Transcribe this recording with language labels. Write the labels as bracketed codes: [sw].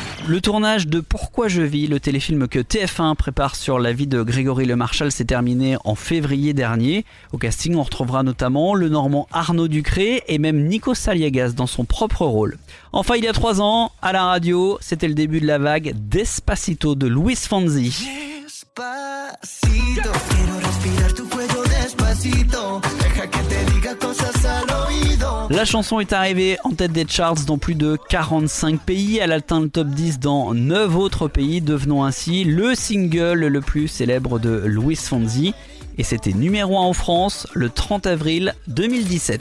[fr] Le tournage de Pourquoi je vis, le téléfilm que TF1 prépare sur la vie de Grégory Lemarchal, s'est terminé en février dernier. Au casting, on retrouvera notamment le Normand Arnaud Ducré et même Nico Saliagas dans son propre rôle. Enfin, il y a 3 ans, à la radio, c'était le début de la vague Despacito de Luis Fonsi. [es] Despacito, quiero respirar tu cuello despacito, deja que te diga cosas al oído. [fr] La chanson est arrivée en tête des charts dans plus de 45 pays. Elle atteint le top 10 dans 9 autres pays, devenant ainsi le single le plus célèbre de Luis Fonsi. Et c'était numéro 1 en France le 30 avril 2017.